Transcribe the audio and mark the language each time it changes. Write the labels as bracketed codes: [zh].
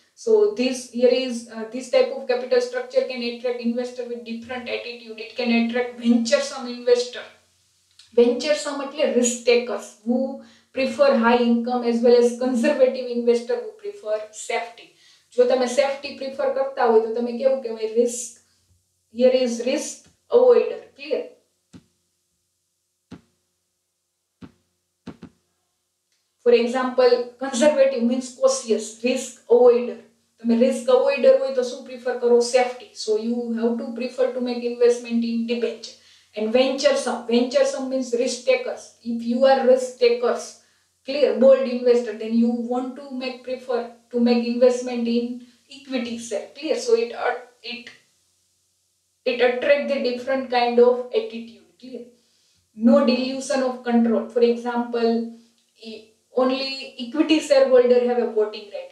[en] So this type of capital structure can attract investor with different attitude. It can attract venturesome investor. Venturesome એટલે risk takers who prefer high income as well as conservative investor who prefer safety. [gu] જો તમે safety prefer કરતા હોય તો તમે કેવું કહેવાય? [en] Risk. Here is risk avoider. Clear? For example, conservative means cautious, risk avoider. તમે risk avoider હોય તો શું prefer કરો? Safety. So you have to prefer to make investment in debenture. And venturesome means risk takers. If you are risk takers, clear, bold investor, then you want to make prefer to make investment in equity sector, clear. So it attracts the different kind of attitude, clear. No dilution of control. For example, only equity shareholder have a voting right.